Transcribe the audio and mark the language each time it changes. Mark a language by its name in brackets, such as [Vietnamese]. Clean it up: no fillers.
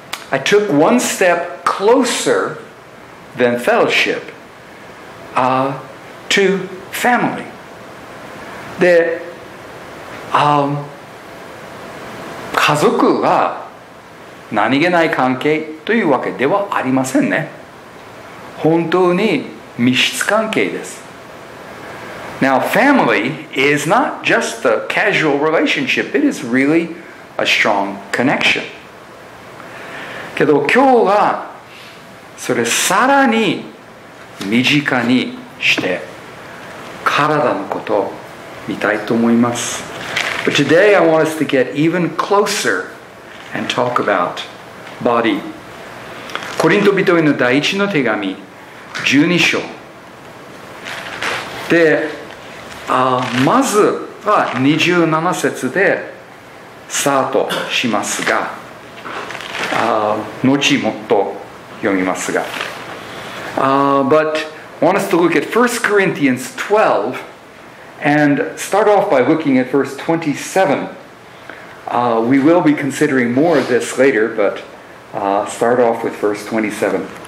[English] I took one step closer than fellowship to family. [Japanese] で、家族は何気ない関係というわけではありませんね。本当に密室関係です。 [English] Now, family is not just a casual relationship. It is really a strong connection. [Japanese] けど今日はそれさらに身近にして体のことを見たいと思います。 [English] But today I want us to get even closer and talk about body. [Japanese] コリント人への第一の手紙12章で、まずは27節でスタートしますが、後もっと読みますが、 [English] But I want us to look at 1 Corinthians 12 and start off by looking at verse 27. We will be considering more of this later, but start off with verse 27.